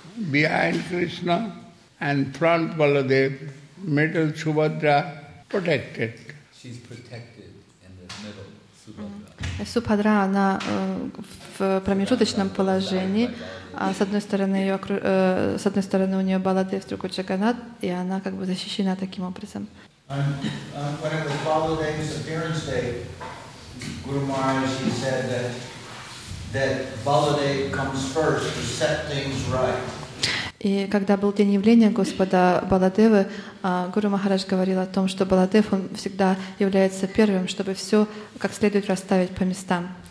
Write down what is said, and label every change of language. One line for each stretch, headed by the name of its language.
English: Behind Krishna and front Baladev, middle Subhadra protected. She's protected in the middle, Subhadra.
Russian: Субхадра, она в промежуточном положении. А с одной стороны ее, с одной стороны у нее Баладев, с другой Джаганат, и она как бы защищена таким образом.
English: When it was Baladev's appearance day, Guru Maharaj, he said that Baladev comes first to set things right.
Russian: И когда был день явления Господа Баладевы, Гуру Махарадж говорил о том, что Баладев, он всегда является первым, чтобы все как следует расставить по местам.